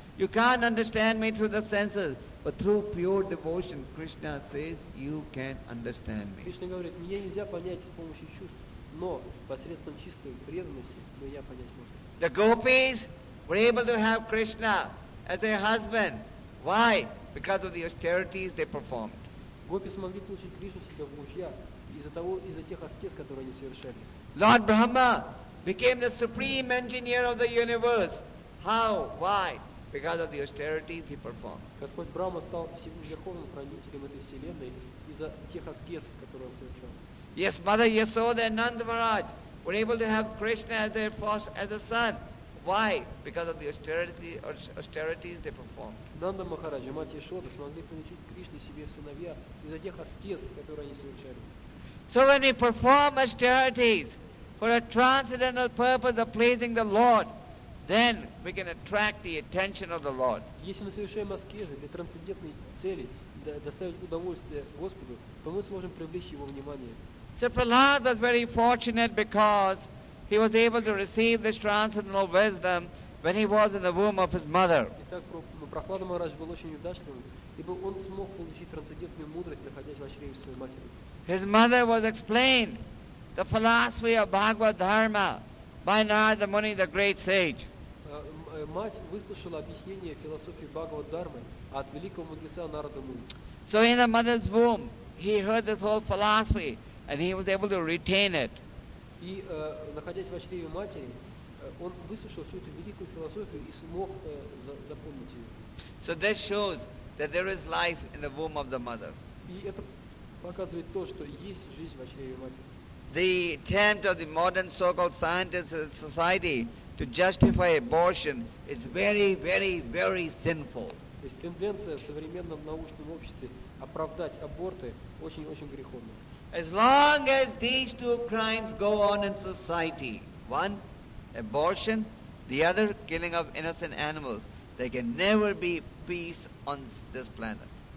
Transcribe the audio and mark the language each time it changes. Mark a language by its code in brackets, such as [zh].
[en] You can't understand me through the senses, but through pure devotion, Krishna says, you can understand me. [ru] Кришна говорит, меня нельзя понять с помощью чувств, но посредством чистой преданности я понять могу. [en] The gopis were able to have Krishna as their husband. Why? Because of the austerities they performed. [ru] Гопи смогли получить Кришну себе в мужья из-за тех аскез, которые они совершали. [en] Lord Brahma became the supreme engineer of the universe. How? Why? Because of the austerities he performed. [ru] Господь Брахма стал верховным хранителем этой вселенной из-за тех аскез, которые он совершал. [en] Yes, Mother Yasoda and Nanda Maharaj were able to have Krishna as a son. Why? Because of the austerities they performed. [ru] Нанда Махарадж и Мать Яшода смогли получить Кришну себе в сыновья из-за тех аскез, которые они совершали. [en] So when we perform austerities for a transcendental purpose of pleasing the Lord, then we can attract the attention of the Lord. [ru] Если мы совершаем аскезы для трансцендентной цели, доставить удовольствие Господу, то мы сможем привлечь Его внимание. [en] So Prahlad was very fortunate because he was able to receive this transcendental wisdom when he was in the womb of his mother. [ru] Итак, Прахлада Махарадж был очень удачным, ибо он смог получить трансцендентную мудрость, находясь в чреве своей матери. [en] His mother was explained the philosophy of Bhagavad Dharma by Narada Muni, the great sage. [ru] Мать выслушала объяснение философии Бхагавад Дхармы от великого мудреца Нарада Муни. [en] So in the mother's womb, he heard this whole philosophy, and he was able to retain it. [ru] И находясь в чреве матери, он выслушал всю эту великую философию и смог запомнить ее. [en] So this shows that there is life in the womb of the mother. [ru] И это показывает то, что есть жизнь в чреве матери. [en] the attempt of the modern so-called scientists and society to justify abortion is very, very, very sinful. [ru] То есть тенденция в современном научном обществе оправдать аборты очень-очень греховна. [en] As long as these two crimes go on in society, one, abortion, the other, killing of innocent animals, there can never be peace on this planet.